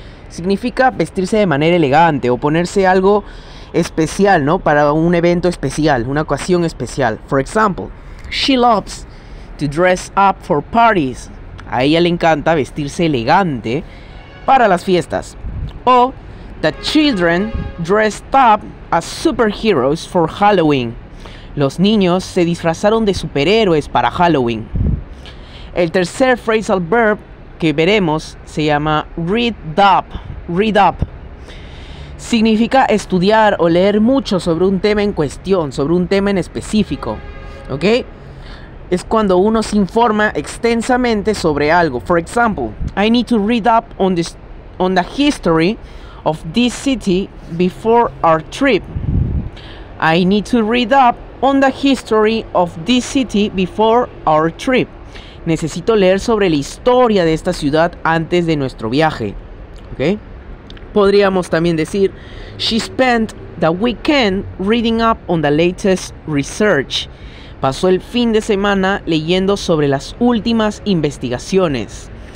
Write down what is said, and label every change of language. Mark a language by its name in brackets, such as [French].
[Spanish] Significa vestirse de manera elegante o ponerse algo especial, ¿no? Para un evento especial, una ocasión especial. [English] For example, she loves to dress up for parties. [Spanish] A ella le encanta vestirse elegante para las fiestas. [English] O, the children dressed up as superheroes for Halloween. [Spanish] Los niños se disfrazaron de superhéroes para Halloween. El tercer phrasal verb que veremos se llama read up. Read up. Significa estudiar o leer mucho sobre un tema en cuestión, sobre un tema en específico. ¿Ok? Es cuando uno se informa extensamente sobre algo. [English] For example, I need to read up on the history of this city before our trip. I need to read up on the history of this city before our trip. [Spanish] Necesito leer sobre la historia de esta ciudad antes de nuestro viaje. ¿Okay? Podríamos también decir, [English] she spent the weekend reading up on the latest research. [Spanish] Pasó el fin de semana leyendo sobre las últimas investigaciones.